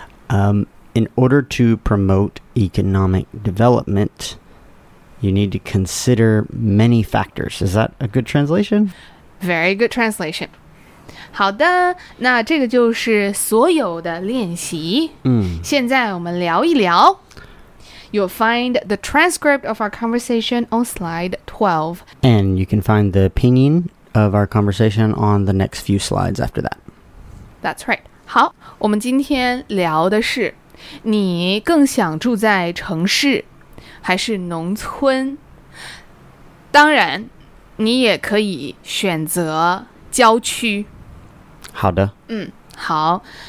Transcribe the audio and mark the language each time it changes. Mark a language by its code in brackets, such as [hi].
[en] In order to promote economic development, you need to consider many factors. Is that a good translation? Very good translation. [zh] 好的，那这个就是所有的练习。现在我们聊一聊。 [en] You'll find the transcript of our conversation on slide 12. And you can find the pinyin of our conversation on the next few slides after that. That's right. [zh] 好，我们今天聊的是你更想住在城市还是农村？当然，你也可以选择郊区。好的。嗯，好。